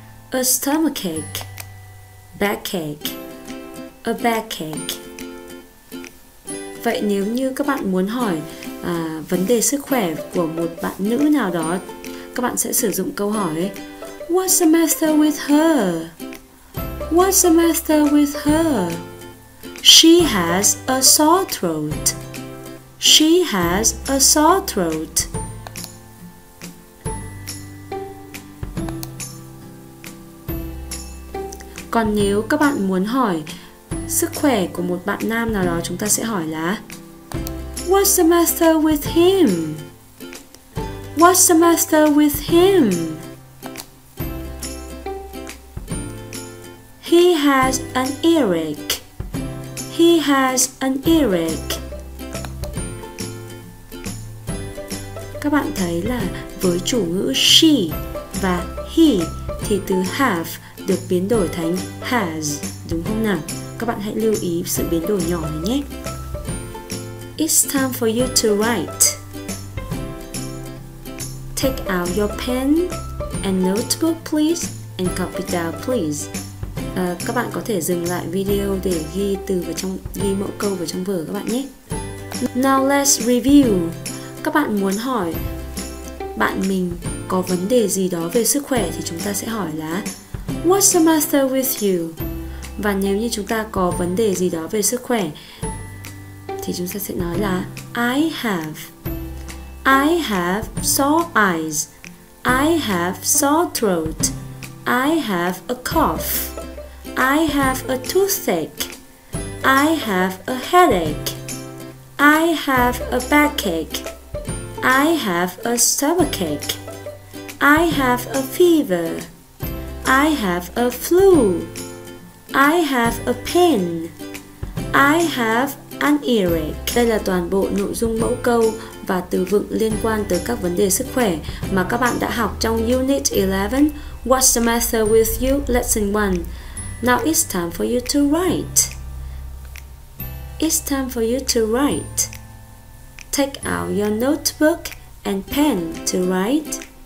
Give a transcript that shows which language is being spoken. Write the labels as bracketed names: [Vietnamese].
[English] A stomachache. Backache. A backache. [Vietnamese] Vậy nếu như các bạn muốn hỏi vấn đề sức khỏe của một bạn nữ nào đó, các bạn sẽ sử dụng câu hỏi [English] What's the matter with her? What's the matter with her? She has a sore throat. She has a sore throat. [Vietnamese] Còn nếu các bạn muốn hỏi sức khỏe của một bạn nam nào đó, chúng ta sẽ hỏi là [English] What's the matter with him? What's the matter with him? He has an earache. He has an earache. [Vietnamese] Các bạn thấy là với chủ ngữ she và he thì từ have được biến đổi thành has, đúng không nào? Các bạn hãy lưu ý sự biến đổi nhỏ này nhé. [English] It's time for you to write. Take out your pen and notebook please and copy down please. [Vietnamese] Các bạn có thể dừng lại video để ghi từ vào trong, ghi mẫu câu vào trong vở các bạn nhé. [English] Now let's review. [Vietnamese] Các bạn muốn hỏi bạn mình có vấn đề gì đó về sức khỏe thì chúng ta sẽ hỏi là [English] What's the matter with you? [Vietnamese] Và nếu như chúng ta có vấn đề gì đó về sức khỏe thì chúng ta sẽ nói là [English] I have. I have sore eyes. I have sore throat. I have a cough. I have a toothache. I have a headache. I have a backache. I have a stomachache. I have a fever. I have a flu. I have a pain. I have an earache. [Vietnamese] Đây là toàn bộ nội dung mẫu câu và từ vựng liên quan tới các vấn đề sức khỏe mà các bạn đã học trong Unit 11, [English] What's the matter with you? Lesson 1. Now it's time for you to write. It's time for you to write. Take out your notebook and pen to write.